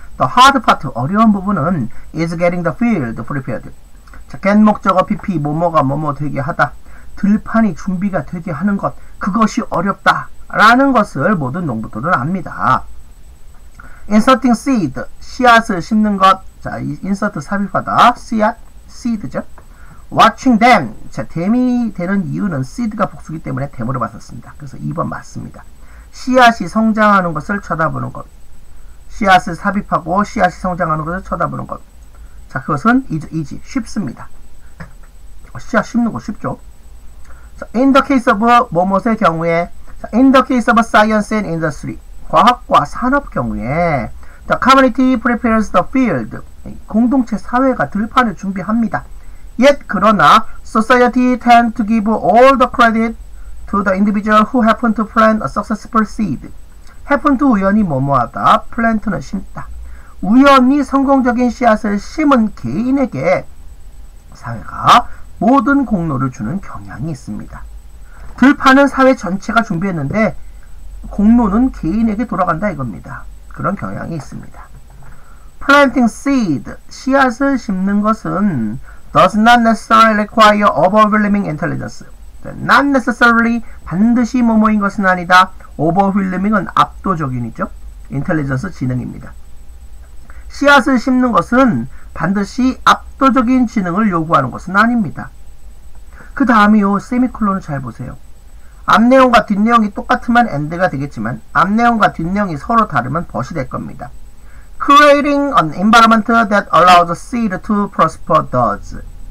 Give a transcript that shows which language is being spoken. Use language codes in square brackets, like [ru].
[en] The hard part, [ko] 어려운 부분은 [en] is getting the field prepared. [ko] 자, get 목적어 PP, 뭐뭐가 뭐뭐 되게 하다. 들판이 준비가 되게 하는 것, 그것이 어렵다. 라는 것을 모든 농부들은 압니다. [en] Inserting seed, [ko] 씨앗을 심는 것. 자, 이 insert 삽입하다. 씨앗, seed죠. [en] Watching them. [ko] 자, them이 되는 이유는 seed가 복수기 때문에 them으로 봤었습니다. 그래서 2번 맞습니다. 씨앗이 성장하는 것을 쳐다보는 것. 씨앗을 삽입하고 씨앗이 성장하는 것을 쳐다보는 것. 자, 그것은 easy, 쉽습니다. 씨앗 심는 거 쉽죠? [en] So, in the case of [ko] 뭐뭐의 경우에, [en] so, in the case of science and industry, [ko] 과학과 산업 경우에, [en] the community prepares the field, [ko] 공동체 사회가 들판을 준비합니다. [en] Yet, [ko] 그러나, [en] society tend to give all the credit to the individual who happen to plant a successful seed. [ko] Happen to 우연히 뭐뭐하다, plant는 심다. 우연히 성공적인 씨앗을 심은 개인에게 사회가 모든 공로를 주는 경향이 있습니다. 들판은 사회 전체가 준비했는데 공로는 개인에게 돌아간다 이겁니다. 그런 경향이 있습니다. [en] Planting seed, [ko] 씨앗을 심는 것은 [en] does not necessarily require overwhelming intelligence. [ko] Not necessarily, 반드시 뭐뭐인 것은 아니다. Overwhelming은 압도적인이죠. Intelligence, 지능입니다. 씨앗을 심는 것은 반드시 압도적인 지능을 요구하는 것은 아닙니다. 그 다음이요. 세미콜론을 잘 보세요. 앞내용과 뒷내용이 똑같으면 엔드가 되겠지만 앞내용과 뒷내용이 서로 다르면 벗이 될 겁니다. [en] Creating an environment that allows seed to prosper does.